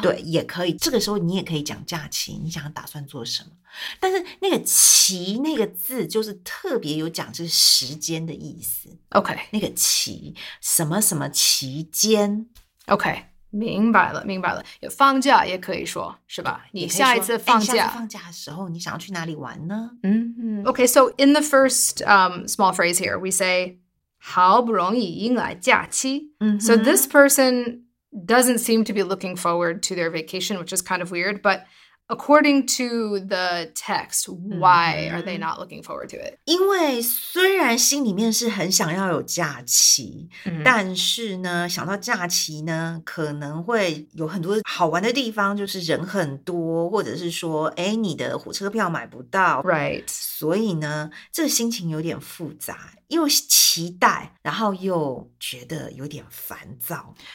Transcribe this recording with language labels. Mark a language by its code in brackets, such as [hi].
[zh] 对也可以这个时候你也可以讲假期你想打算做什么但是那个期那个字就是特别有讲是时间的意思 [en] OK [zh] 那个期什么什么期间 OK明白了明白了有放假也可以说是吧你下一次放假、哎、下次放假的时候你想要去哪里玩呢 [en] Okay, so in the first small phrase here, we say [zh] 好不容易迎来假期 [en] So this person doesn't seem to be looking forward to their vacation, which is kind of weird, but according to the text, why are they not looking forward to it? [zh] 因为虽然心里面是很想要有假期但是呢想到假期呢可能会有很多好玩的地方就是人很多或者是说哎，你的火车票买不到 [en] Right. [zh] 所以呢这个心情有点复杂又期待然后又觉得有点烦躁